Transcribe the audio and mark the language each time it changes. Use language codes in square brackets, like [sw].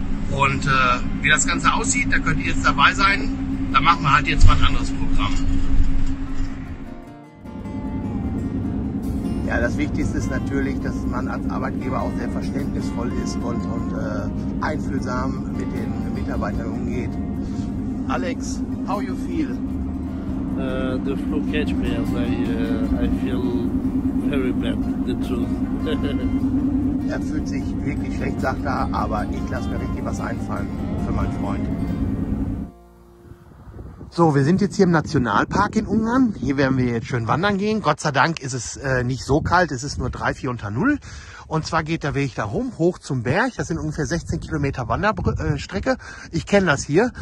[de] Und wie das Ganze aussieht, da könnt ihr jetzt dabei sein, da machen wir halt jetzt mal ein anderes Programm. Ja, das Wichtigste ist natürlich, dass man als Arbeitgeber auch sehr verständnisvoll ist und einfühlsam mit den Mitarbeitern umgeht. [en] Alex, how you feel? The flu catch me as I feel very bad, the truth. [de] Er fühlt sich wirklich schlecht, sagt er, aber ich lasse mir richtig was einfallen für meinen Freund. So, wir sind jetzt hier im Nationalpark in Ungarn. Hier werden wir jetzt schön wandern gehen. Gott sei Dank ist es nicht so kalt, es ist nur 3-4 unter Null. Und zwar geht der Weg da rum, hoch zum Berg. Das sind ungefähr 16 Kilometer Wanderstrecke. Ich kenne das hier.